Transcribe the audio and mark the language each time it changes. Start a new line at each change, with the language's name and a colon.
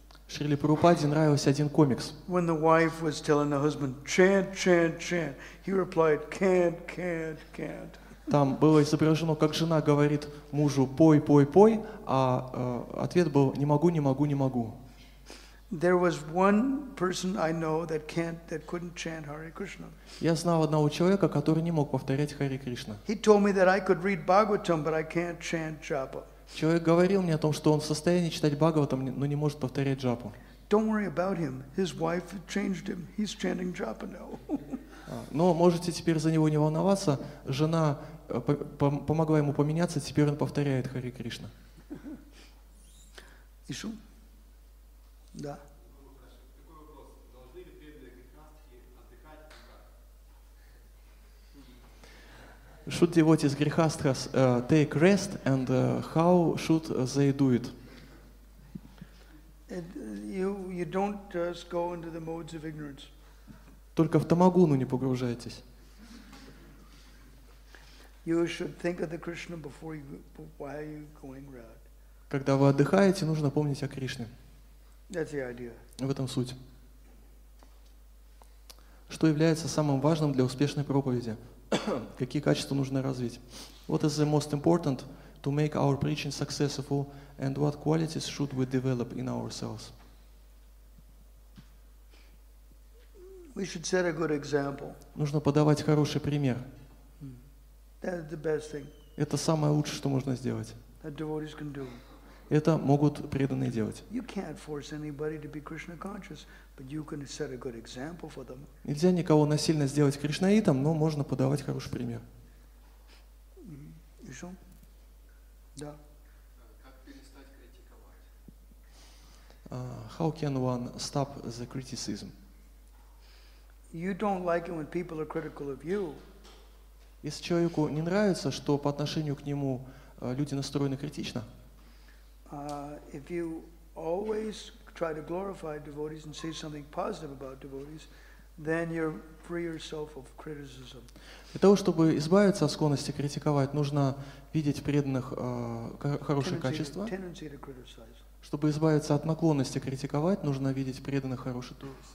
Russian: Шрили Прабхупаде нравился один комикс.
English: When the wife was telling the husband, chant, chant, chant, he replied, can't, can't, can't.
Russian: Там было изображено, как жена говорит мужу, пой, пой, пой, а ответ был, не могу, не могу, не могу.
English: There was one person I know that couldn't chant Hare Krishna.
Russian: Я знал одного человека, который не мог повторять Хари Кришна.
English: He told me that I could read Bhagavatam, but I can't chant Japa.
Russian: Человек говорил мне о том, что он в состоянии читать Бхагаватам, но не может повторять Джапу.
English: Don't worry about him. His wife changed him. He's chanting Japa now.
Russian: Но можете теперь за него не волноваться. Жена помогла ему поменяться, теперь он повторяет Хари Кришна. Ишу? Да. Такой вопрос.
English: should devotees, grihasthas, take rest, and how should they do it? You don't just go into the modes of ignorance.
Russian: Только в тамагуну не погружайтесь.
English: You should think of the Krishna before you, while you're going out.
Russian: Когда вы отдыхаете, нужно помнить о Кришне.
English: That's the idea.
Russian: В этом суть. Что является самым важным для успешной проповеди? Какие качества нужно развить?
English: What is the most important to make our preaching successful, and what qualities should we develop in ourselves? We should set a good example.
Russian: Нужно подавать хороший пример.
English: That's the best thing.
Russian: Это самое лучшее, что можно сделать.
English: That devotees can do.
Russian: Это могут преданные делать.
English: You can't force anybody to be Krishna conscious, but you can set a good example for them.
Russian: Нельзя никого насильно сделать кришнаитом, но можно подавать хороший пример. Еще? Да.
English: How can one stop the criticism? You don't like it when people are critical of you.
Russian: Если человеку не нравится, что по отношению к нему люди настроены критично.
English: If you always try to glorify devotees and say something positive about devotees, then you're free yourself of criticism.
Russian: Для того, чтобы избавиться от склонности критиковать, нужно видеть преданных хорошие качества.
English: Tendency to criticize.
Russian: Чтобы избавиться от наклонности критиковать, нужно видеть преданных хороших то.